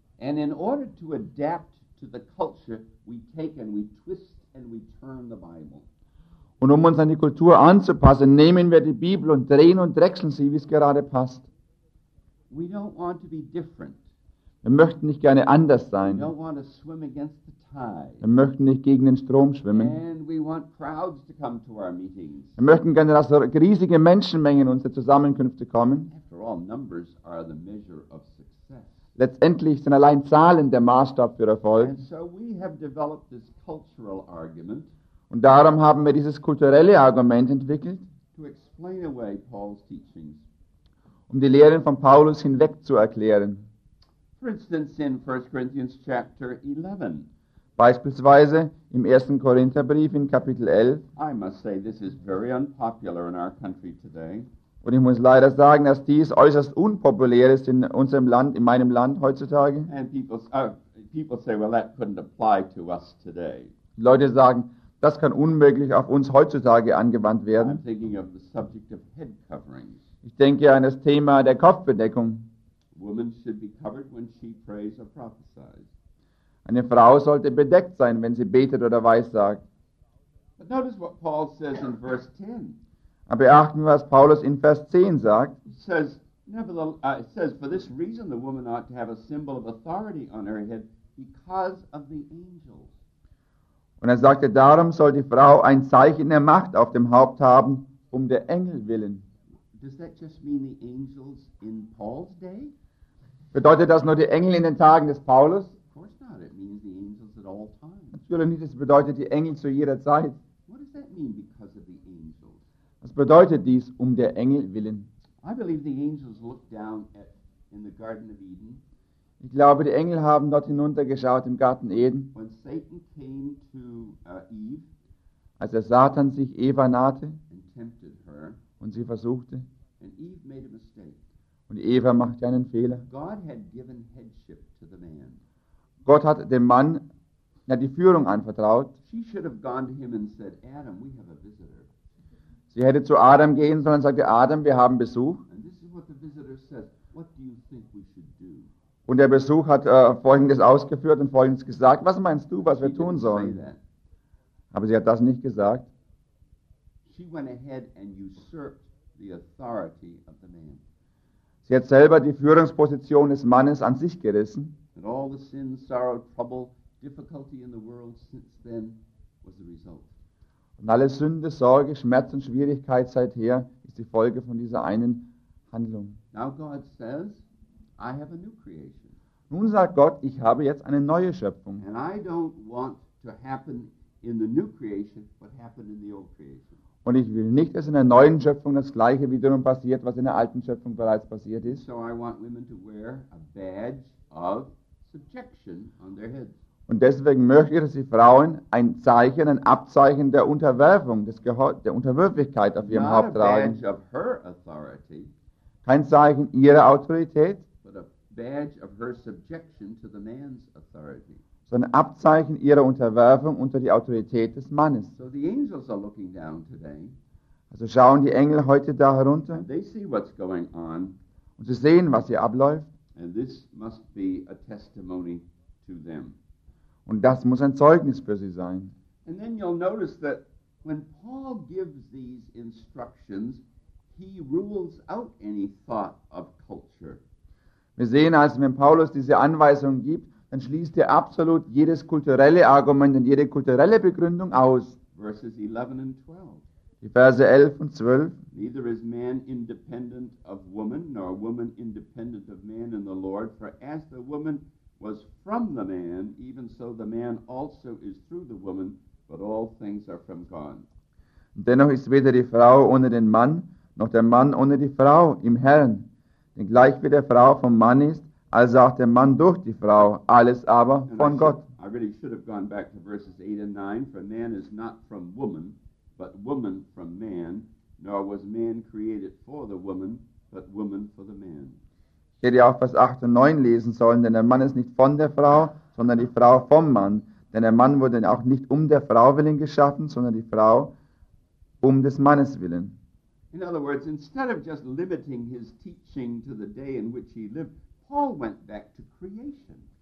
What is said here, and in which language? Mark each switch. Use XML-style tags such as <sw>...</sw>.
<en>And in order to adapt to the culture, we take and we twist and we turn the Bible.</en> <de>Und um uns an die Kultur anzupassen, nehmen wir die Bibel und drehen und drechseln sie, wie es gerade passt.</de> <en>We don't want to be different.</en> <de>Wir möchten nicht gerne anders sein.</de> <en>We don't want to swim against the tide.</en> <de>Wir möchten nicht gegen den Strom schwimmen.</de> <en>And we want crowds to come to our meetings.</en> <de>Wir möchten gerne, dass riesige Menschenmengen in unsere Zusammenkünfte kommen.</de> <en>After all, numbers are the measure of success.</en> <de>Letztendlich sind allein Zahlen der Maßstab für Erfolg.</de> <en>And so we have developed this cultural argument.</en> <de>Und darum haben wir dieses kulturelle Argument entwickelt,</de> <en>to explain away Paul's teachings.</en> <de>Um die Lehren von Paulus hinweg zu erklären.</de> <en>For instance, in 1 Corinthians chapter 11.</en> <de>Beispielsweise im 1. Korintherbrief in Kapitel 11.</de> <en>I must say this is very unpopular in our country today.</en> <de>Und ich muss leider sagen, dass dies äußerst unpopulär ist in unserem Land, in meinem Land heutzutage.</de> <en>And people say, well, that couldn't apply to us today.</en> <de>Leute sagen, das kann unmöglich auf uns heutzutage angewandt werden.</de> <en>I'm thinking of the subject of head coverings.</en> <de>Ich denke an das Thema der Kopfbedeckung.</de> <en>Woman should be covered when she prays or prophesies.</en> <de>Eine Frau sollte bedeckt sein, wenn sie betet oder weissagt.</de> <en>But notice what Paul says in verse 10.</en> <de>Aber beachten wir, was Paulus in Vers 10 sagt.</de> <en>It says, for this reason the woman ought to have a symbol of authority on her head because of the angels.</en> <de>Und sagte, darum soll die Frau ein Zeichen der Macht auf dem Haupt haben, um der Engel willen.</de> <en>Does that just mean the angels in Paul's day?</en> <de>Bedeutet das nur die Engel in den Tagen des Paulus?</de> <en>Of course not. It means the angels at all times.</en> <de>Natürlich nicht, es bedeutet die Engel zu jeder Zeit.</de> <en>What does that mean because of the angels?</en> <de>Was bedeutet dies um der Engel willen?</de> <en>I believe the angels looked down at in the Garden of Eden.</en> <de>Ich glaube, die Engel haben dort hinuntergeschaut im Garten Eden.</de> <en>When Satan came to Eve,</en> <de>als der Satan sich Eva nahte</de> <en>and tempted her,</en> <de>und sie versuchte,</de> <en>and Eve made a mistake.</en> <de>Und Eva machte einen Fehler.</de> <en>God had given headship to the man.</en> <de>Gott hat dem Mann die Führung anvertraut.</de> <en>She should have gone to him and said, Adam, we have a visitor.</en> <de>Sie hätte zu Adam gehen sollen und sagte, Adam, wir haben Besuch.</de> <en>And this is what the visitor said. What do you think we should do?</en> <de>Und der Besuch hat Folgendes ausgeführt und Folgendes gesagt. Was meinst du, was wir tun sollen? Aber sie hat das nicht gesagt.</de> <en>She went ahead and usurped the authority of the man.</en> <de>Sie hat selber die Führungsposition des Mannes an sich gerissen.</de> <en>And all the sin, sorrow, trouble, difficulty in the world since then was the result.</en> <de>Und alle Sünde, Sorge, Schmerz und Schwierigkeit seither ist die Folge von dieser einen Handlung.</de> <en>Now God says, I have a new creation.</en> <de>Nun sagt Gott, ich habe jetzt eine neue Schöpfung.</de> <en>And I don't want to happen in the new creation what happened in the old creation.</en> <de>Und ich will nicht, dass in der neuen Schöpfung das gleiche wiederum passiert, was in der alten Schöpfung bereits passiert ist.</de> <en>So I want women to wear a badge of subjection on their heads.</en> <de>Und deswegen möchte ich, dass die Frauen ein Zeichen, ein Abzeichen der Unterwerfung, der Unterwürfigkeit auf ihrem</de> <en>Not</en> <de>Haupt tragen.</de> <en>A badge of her authority.</en> <de>Kein Zeichen ihrer Autorität.</de> <en>Badge of her subjection to the man's authority.</en> <de>So ein Abzeichen ihrer Unterwerfung unter die Autorität des Mannes.</de> <en>So the angels are looking down today.</en> <de>Also schauen die Engel heute da herunter.</de> <en>And they see what's going on.</en> <de>Und sie sehen, was hier abläuft.</de> <en>And this must be a testimony to them.</en> <de>Und das muss ein Zeugnis für sie sein.</de> <en>And then you'll notice that when Paul gives these instructions, he rules out any thought of culture.</en> <de>Wir sehen also, wenn Paulus diese Anweisung gibt, dann schließt er absolut jedes kulturelle Argument und jede kulturelle Begründung aus.</de> <en>Verses 11 and 12.</en> <de>Die Verse 11 und 12.</de> <en>Neither is man independent of woman, nor woman independent of man in the Lord. For as the woman was from the man, even so the man also is through the woman, but all things are from God.</en> <de>Dennoch ist weder die Frau ohne den Mann, noch der Mann ohne die Frau im Herrn. Denn gleich wie der Frau vom Mann ist, also auch der Mann durch die Frau, alles aber von Gott.</de> <en>I really should have gone back to verses 8 and 9, for man is not from woman, but woman from man, nor was man created for the woman, but woman for the man.</en> <de>Ich hätte auch Vers 8 und 9 lesen sollen, denn der Mann ist nicht von der Frau, sondern die Frau vom Mann. Denn der Mann wurde auch nicht um der Frau willen geschaffen, sondern die Frau um des Mannes willen.</de> <en>In other words, instead of just limiting his teaching to the day in which he lived, Paul went back to creation.</en>